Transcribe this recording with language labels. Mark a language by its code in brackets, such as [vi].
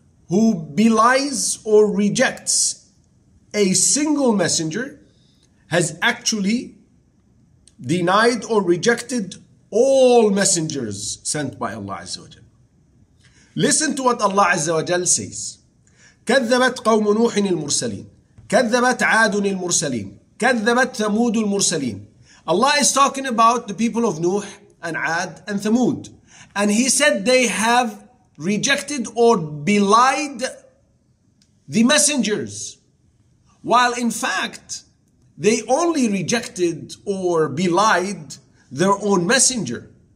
[en] who belies or rejects a single messenger has actually denied or rejected all messengers sent by Allah Azza wa Jal. Listen to what Allah Azza wa Jal says. [ar] كذبت قوم نوح المرسلين كذبت عاد المرسلين كذبت ثمود المرسلين. [en] Allah is talking about the people of Nuh and Ad and Thamud. And he said they have rejected or belied the messengers. While in fact, they only rejected or belied their own messenger.